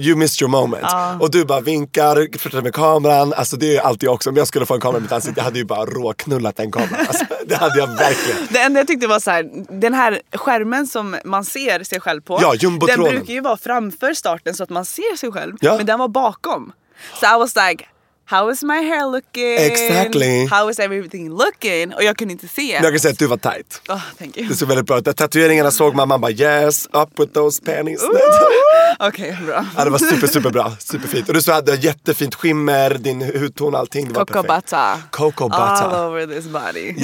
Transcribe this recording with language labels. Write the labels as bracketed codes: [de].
[en] you missed your moment. [sv] Och du bara vinkar, flyttar med kameran. Alltså det är ju alltid jag också. Om jag skulle få en kamera i mitt ansikte, jag hade ju bara råknullat den kameran. Alltså, det hade jag verkligen. Det enda jag tyckte var så här: den här skärmen som man ser sig själv på, ja, den brukar ju vara framför starten så att man ser sig själv, ja. Men den var bakom. [en] Så I was like, how is my hair looking? Exactly. How is everything looking? [sv] Och jag kunde inte se. Men jag kan säga att du var tight. [en] Oh, thank you. [sv] Det såg väldigt bra ut. Tatueringarna såg man bara, [en] yes, up with those panties. [sv] Okej, bra. Ja, det var super, super bra. Superfint. Och du hade jättefint skimmer, din hudton, allting. Det var [en] cocoa [sv] perfekt. [en] Butter. Cocoa butter. All over this body.